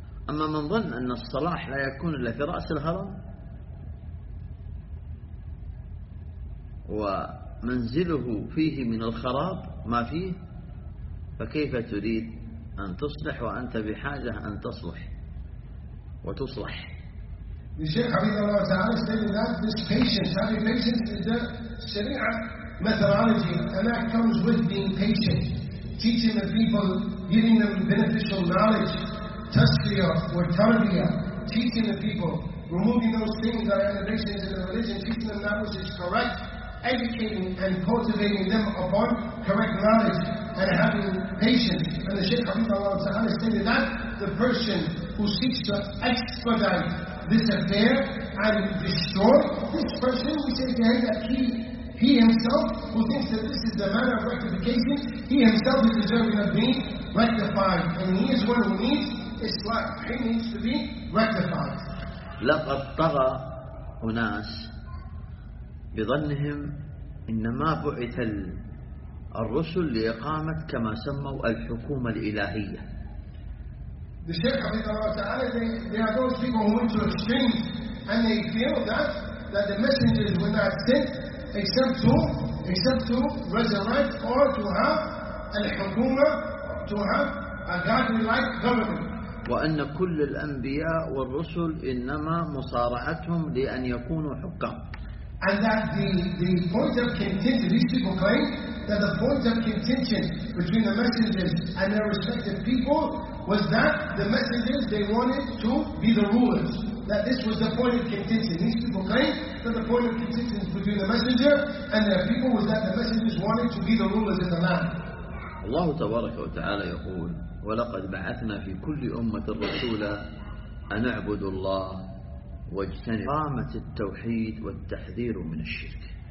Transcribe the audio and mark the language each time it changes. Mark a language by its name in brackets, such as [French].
[Arabic] أما من ظن أن الصلاح لا يكون إلا في رأس الهرم ومنزله فيه من الخراب ما فيه فكيف تريد أن تصلح وأنت بحاجة أن تصلح وتصلح. [English] The Shaykh Habibullah Allah Ta'ala stated that this patience, having patience is the Sharia methodology, and that comes with being patient, teaching the people, giving them beneficial knowledge, tasfiya or tarbiya, teaching the people, removing those things that are innovations in the religion, teaching them that which is correct, educating and cultivating them upon correct knowledge. And having patience. And the Shaykh Habibullah Ta'ala stated that the person who seeks to expedite this affair and destroy this person, we say to him that he himself, who thinks that this is the manner of rectification, he himself is deserving of being rectified. And he is one who needs Islam. He needs to be rectified. [Arabic] لقد طغى أناس بظنهم إنما بعث الرسل لإقامة كما سموا الحكومة الإلهية. [English] The Shaykh Habibullah Ta'ala, they are those people who went to extremes and they feel that the messengers were not sent except to resurrect or to have الحكومة, to have a godly-like government. [Arabic] وأن كل الأنبياء والرسل إنما مصارعتهم لأن يكونوا حكام. [English] And that the point of contention, these people claim that the point of contention between the messengers and their respective people was that the messengers, they wanted to be the rulers. That this was the point of contention. These people claim that the point of contention between the messenger and their people was that the messengers wanted to be the rulers in the land. [Arabic] Allah تبارك وتعالى يقول وَلَقَدْ بَعَثْنَا فِي كُلِّ أُمَّةِ الرَّسُولَ أَنَعْبُدُ اللَّهِ واجتنب إقامة التوحيد والتحذير من الشرك.